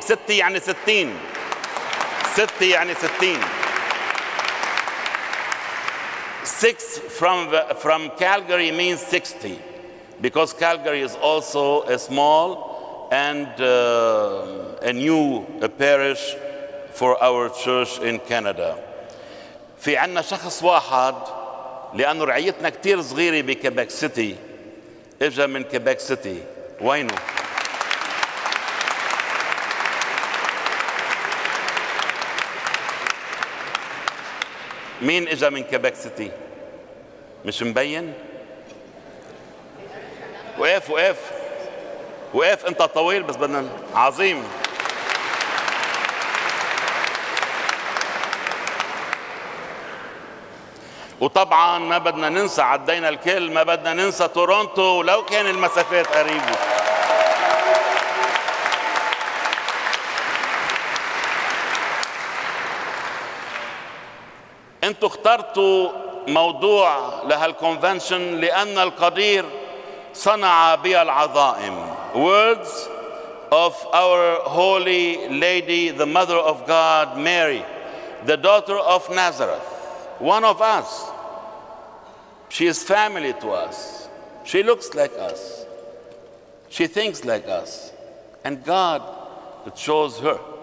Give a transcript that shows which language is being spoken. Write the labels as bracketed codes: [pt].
[en] 6 يعني 60 6 يعني 60 6 from Calgary means 60 because Calgary is also a small and a new parish for our church in Canada. [ar] في عنا شخص واحد لأنه رعيتنا كتير صغيرة بكيبك سيتي إجا من كيبك سيتي. وينه؟ مين إجا من كيبك سيتي؟ مش مبين؟ وقف وقف وقف انت طويل بس بدنا عظيم. وطبعا ما بدنا ننسى عدينا الكل ما بدنا ننسى تورونتو ولو كان المسافات قريبه. انتوا اخترتوا موضوع لهالكونفنشن لأن القدير صنع بي العظائم. [en] Words of our holy lady, the mother of God, Mary, the daughter of Nazareth, one of us. She is family to us. She looks like us. She thinks like us. And God chose her.